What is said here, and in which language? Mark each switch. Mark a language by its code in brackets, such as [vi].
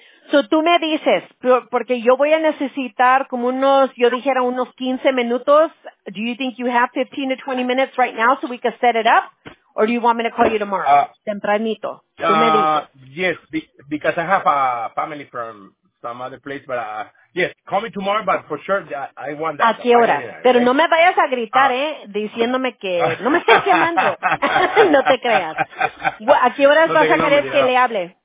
[es] So tú me dices, porque yo voy a necesitar como unos, yo dijera unos 15 minutos. [en] Do you think you have 15 to 20 minutes right now so we can set it up? Or do you want me to call you tomorrow? [es] Tempranito. [en] Yes, because I have a family from some other place. But yes, call me tomorrow, but for sure, I want that. [es] ¿A qué hora? Pero no me vayas a gritar, diciéndome que no me estés llamando. No te creas. ¿A qué hora vas a querer que le hable?